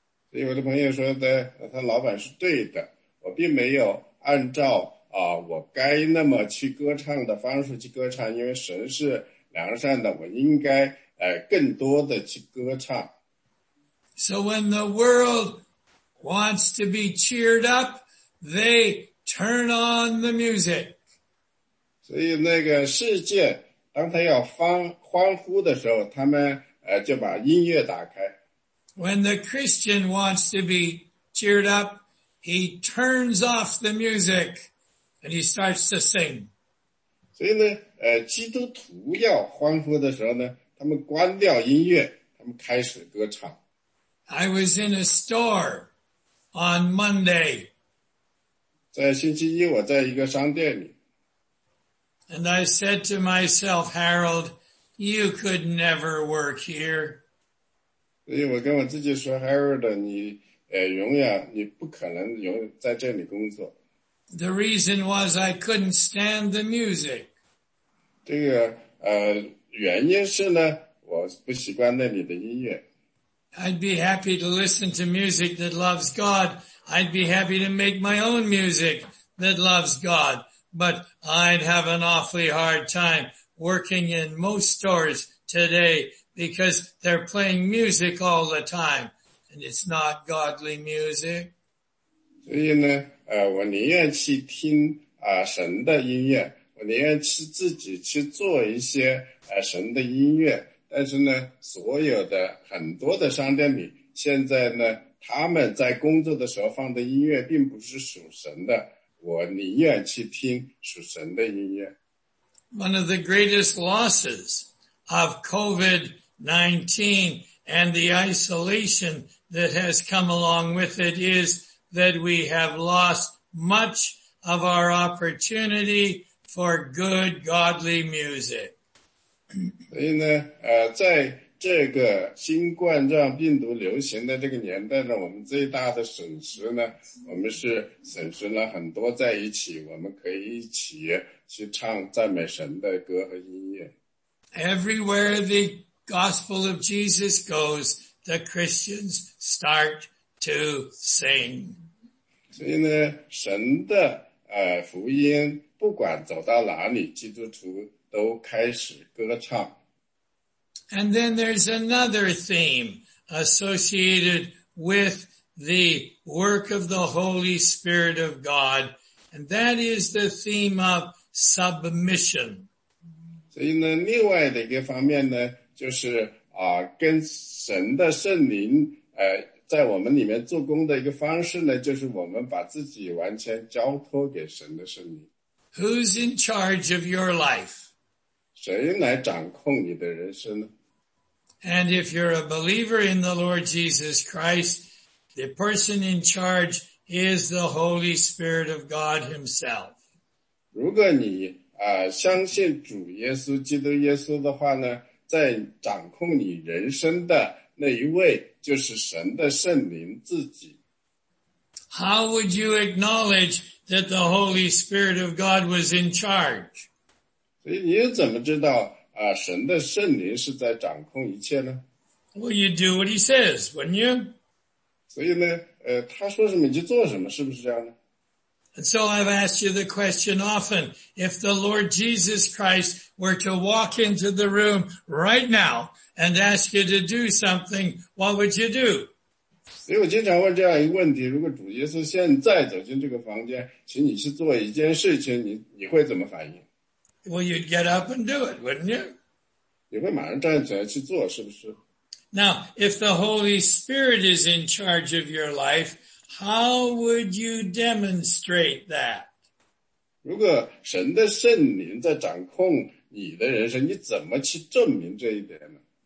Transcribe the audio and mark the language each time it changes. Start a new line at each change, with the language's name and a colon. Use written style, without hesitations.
Chinese: 所以我的朋友说的，他老板是对的，我并没有按照我该那么去歌唱的方式去歌唱，因为神是良善的，我应该更多的去歌唱。
English: So when the world wants to be cheered up, they turn on the music.
Chinese: 所以那个世界当他要欢呼的时候，他们就把音乐打开。
English: When the Christian wants to be cheered up, he turns off the music and he starts to sing.
Chinese: 所以呢，基督徒要欢呼的时候呢，他们关掉音乐，他们开始歌唱。
English: I was in a store on Monday.
Chinese: 在星期一，我在一个商店里。
English: And I said to myself, "Harold, you could never work here."
Chinese: 所以我跟我自己说 ,Harold, 你不可能在这里工作。
English: The reason was I couldn't stand the music.
Chinese: 这个原因是呢，我不习惯那里的音乐。
English: I'd be happy to listen to music that loves God. I'd be happy to make my own music that loves God. But I'd have an awfully hard time working in most stores today because they're playing music all the time. And it's not godly music.
Chinese: 所以呢，我宁愿去听神的音乐，我宁愿去自己去做一些神的音乐，但是呢，所有的很多的商店里，现在呢，他们在工作的时候放的音乐并不是属神的，我宁愿去听属神的音乐。
English: One of the greatest losses of COVID-19 and the isolation that has come along with it is that we have lost much of our opportunity for good godly music.
Chinese: 所以呢，在这个新冠状病毒流行的这个年代呢，我们最大的损失呢，我们是损失了很多在一起，我们可以一起去唱赞美神的歌和音乐。
English: Everywhere the gospel of Jesus goes, the Christians start to sing.
Chinese: 所以呢，神的福音不管走到哪里，基督徒都开始歌唱。
English: And then there's another theme associated with the work of the Holy Spirit of God, and that is the theme of submission.
Chinese: 所以呢，另外的一个方面呢，就是跟神的圣灵在我们里面做工的一个方式呢，就是我们把自己完全交托给神的圣灵。
English: Who's in charge of your life?
Chinese: 谁来掌控你的人生呢？
English: And if you're a believer in the Lord Jesus Christ, the person in charge is the Holy Spirit of God himself.
Chinese: 如果你相信主耶稣基督耶稣的话呢，在掌控你人生的那一位就是神的圣灵自己。
English: How would you acknowledge that the Holy Spirit of God was in charge?
Chinese: 所以你又怎么知道神的圣灵是在掌控一切呢？
English: Well, you do what he says, wouldn't you?
Chinese: 所以呢，他说什么你就做什么，是不是这样呢？
English: And so I've asked you the question often, if the Lord Jesus Christ were to walk into the room right now and ask you to do something, what would you do?
Chinese: 所以我经常问这样一个问题，如果主耶稣现在走进这个房间，请你去做一件事情，你会怎么反应？
English: Well, you'd get up and do it, wouldn't you?
Chinese: 你会马上站起来去做，是不是？
English: Now, if the Holy Spirit is in charge of your life, how would you demonstrate that?
Chinese: 如果神的圣灵在掌控你的人生，你怎么去证明这一点呢？